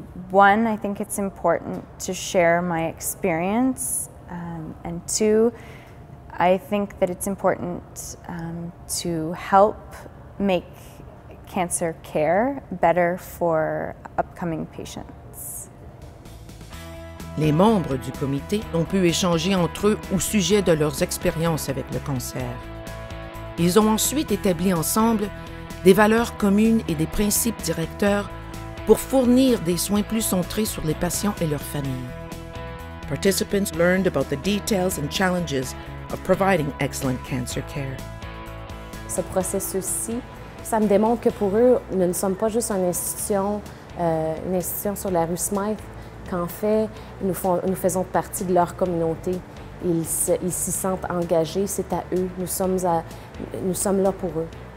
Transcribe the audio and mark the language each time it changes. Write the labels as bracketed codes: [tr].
[en] One, I think it's important to share my experience, and two, I think that it's important to help make cancer care better for upcoming patients. [fr] Les membres du comité ont pu échanger entre eux au sujet de leurs expériences avec le cancer. Ils ont ensuite établi ensemble des valeurs communes et des principes directeurs pour fournir des soins plus centrés sur les patients et leurs familles. [en] Participants learned about the details and challenges of providing excellent cancer care. [fr] Ce processus-ci, ça me démontre que pour eux, nous ne sommes pas juste une institution sur la rue Smith, qu'en fait, nous faisons partie de leur communauté. Ils s'y sentent engagés, c'est à eux, nous sommes là pour eux.